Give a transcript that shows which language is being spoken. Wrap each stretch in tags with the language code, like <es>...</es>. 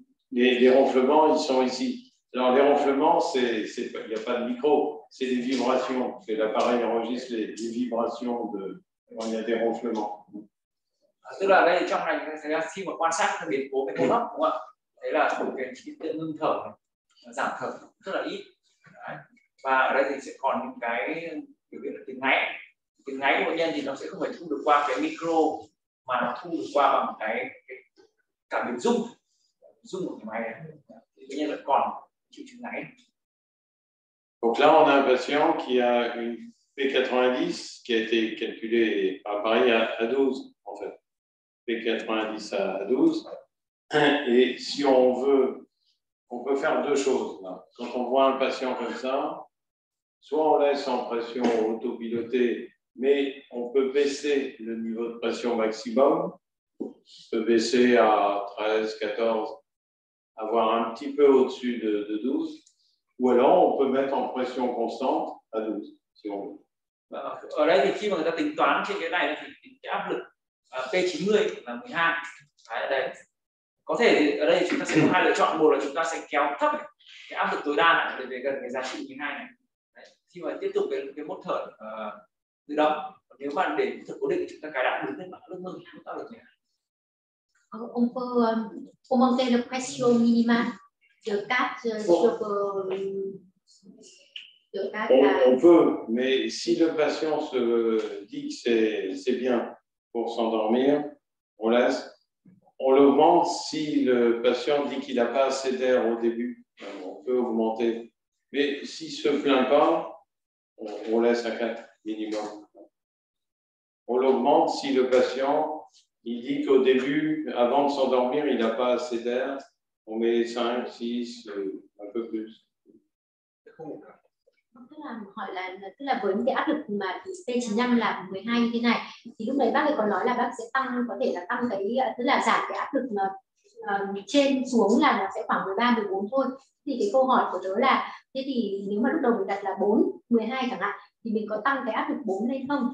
<fr>Les ronflements, ils sont ici. Alors, les ronflements, c'est, il n'y a pas de micro, c'est des vibrations. C'est l'appareil enregistre les vibrations de, quand il y a des ronflements.</fr> <vi>Tức là, đây, trong này,</vi> <fr>c'est là</fr> <vi>khi mà quan sát cái biến cố về hô hấp, đúng không ạ? Đấy là cái chỉ tự ngưng thở, giảm thở rất là ít. Đấy. Và ở đây thì sẽ còn những cái biểu hiện là tiếng ngáy. Tiếng ngáy của bệnh nhân thì nó sẽ không phải thu được qua cái micro, mà nó thu được qua bằng cái cảm biến rung rung của cái máy này, tuy nhiên là còn triệu chứng này.</vi> <fr>Donc là on a un patient qui a une P90 qui a été calculée par appareil à 12 en fait, P90 à 12, et si on veut, on peut faire deux choses là. Quand on voit un patient comme ça, soit on laisse en pression autopilotée, mais on peut baisser le niveau de pression maximum. On peut baisser à 13, 14, avoir un petit peu au-dessus de 12, ou alors on peut mettre en pression constante à 12, si on veut.</fr> <vi>Ở đây thì khi mà người ta tính toán trên cái này thì cái áp lực P90 là 12. Đấy, đây. Có thể thì ở đây chúng ta sẽ có hai lựa chọn. Một là chúng ta sẽ kéo thấp cái áp lực tối đa lại để về gần cái giá trị 12 này. Đấy. Khi mà tiếp tục cái mốt thở tự động. Còn nếu mà để thở cố định thì chúng ta cài đặt đúng lên mạng lực hơn chúng ta được nhỉ?</vi> <fr>On peut augmenter la pression minimale de 4 On peut, mais si le patient se dit que c'est bien pour s'endormir, on laisse. On l'augmente si le patient dit qu'il n'a pas assez d'air au début. On peut augmenter. Mais s'il ne se plaint pas, on laisse à 4 minimum. On l'augmente si le patient il dit qu'au début, avant de s'endormir, il n'a pas assez d'air. On met 5, 6, un peu plus.</fr> <vi>Tức là với những cái áp lực mà P95 là 12 như thế này thì lúc đấy bác ấy còn nói là bác sẽ tăng, có thể là tăng cái, tức là giảm cái áp lực mà, trên xuống là nó sẽ khoảng 13-14 thôi. Thì cái câu hỏi của tớ là thế thì nếu mà lúc đầu mình đặt là 4-12 chẳng hạn thì mình có tăng cái áp lực 4 lên không?</vi>